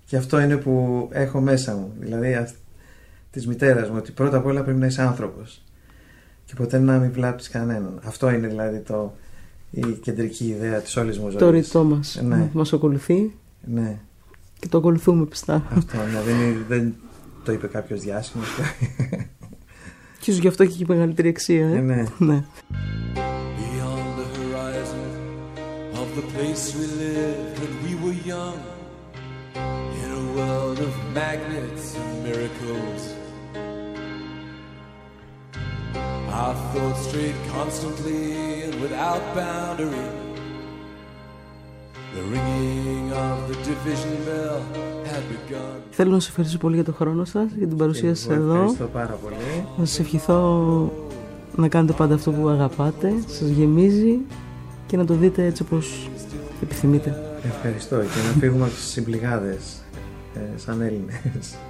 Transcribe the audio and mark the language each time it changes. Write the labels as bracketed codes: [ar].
[el] Και αυτό είναι που έχω μέσα μου. Δηλαδή της μητέρας μου, ότι πρώτα απ' όλα πρέπει να είσαι άνθρωπος και ποτέ να μην βλάψεις κανέναν. Αυτό είναι δηλαδή το, η κεντρική ιδέα της όλης μου ζωής. Το ρητό μας, ναι, μας ακολουθεί, ναι, και το ακολουθούμε πιστά. Αυτό, ναι, δεν το είπε κάποιος διάσημος. Και ίσως γι' αυτό έχει και η μεγαλύτερη αξία. Ναι, ναι. [en] Beyond the horizon of the place we lived when we were young, in a world of magnets and miracles, our thoughts strayed constantly and without boundary. The ringing of the division bell had begun. [el] Θέλω να σας ευχαριστήσω πολύ για τον χρόνο σας, για την παρουσία σας εδώ. Ευχαριστώ πάρα πολύ. Να σας ευχηθώ να κάνετε πάντα αυτό που αγαπάτε, σας γεμίζει, και να το δείτε έτσι όπως επιθυμείτε. Ευχαριστώ, και να φύγουμε από τις συμπληγάδες σαν Έλληνες.